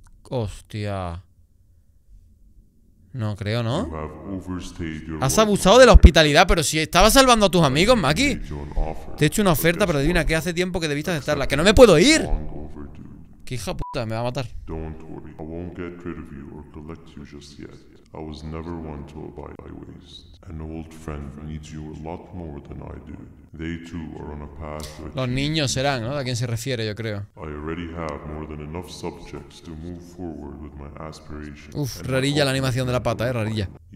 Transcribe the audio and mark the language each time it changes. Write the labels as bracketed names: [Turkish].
[Spanish] Hostia. No creo, ¿no? Has abusado de la hospitalidad. Pero si estaba salvando a tus amigos, Maki. Te he hecho una oferta, pero adivina que hace tiempo que debiste aceptarla. ¡Que no me puedo ir! ¡Qué hija puta! Me va a matar. [English] won't get rid of you or collect you just yet. I was never one to abide by waste. An old friend needs you a lot more than I do. They too are on a path to achieve. [Spanish] Los niños serán, ¿no? A quien se refiere, yo creo. [English] I already have more than enough subjects to move forward with my aspirations. [Spanish] Uf, rarilla la animación de la pata, rarilla.